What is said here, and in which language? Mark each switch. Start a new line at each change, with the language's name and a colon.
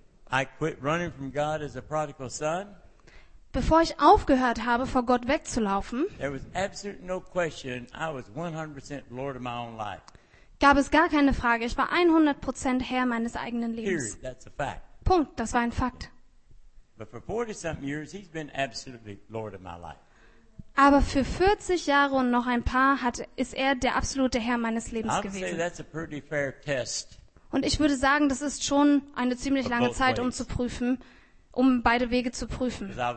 English: I quit running from God as a prodigal son.
German: Bevor ich aufgehört habe, vor Gott wegzulaufen,
English: there was absolutely no question, I was 100% Lord of my own life.
German: Gab es gar keine Frage, ich war 100% Herr meines eigenen Lebens.
English: Period. That's a fact.
German: Punkt, das war ein Fakt.
English: But for 40-something years, he's been absolutely Lord of my life.
German: Aber für 40 Jahre und noch ein paar ist er der absolute Herr meines Lebens gewesen.
English: I'd say that's a pretty fair test.
German: Und ich würde sagen, das ist schon eine ziemlich lange Zeit, um zu prüfen, um beide Wege zu prüfen.